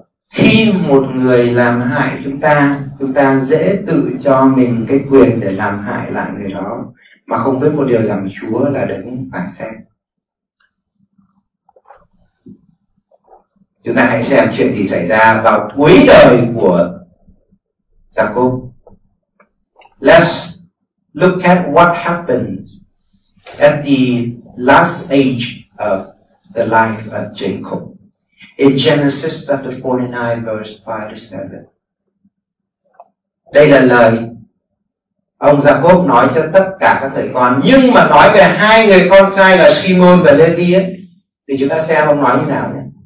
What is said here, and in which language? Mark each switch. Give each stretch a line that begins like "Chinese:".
Vietnamese: Khi một người làm hại chúng ta dễ tự cho mình cái quyền để làm hại lại người đó mà không biết một điều rằng Chúa là đấng phán xét. Chúng ta hãy xem chuyện gì xảy ra vào cuối đời của Jacob.
English: Let's look at what happened at the last age of the life of Jacob. In Genesis chapter 49 verse 5 to 7,
Vietnamese: đây là lời ông Jacob nói cho tất cả các người con. Nhưng mà nói về hai người con trai là Simon và Levi ấy, thì chúng ta xem ông nói như nào nhé.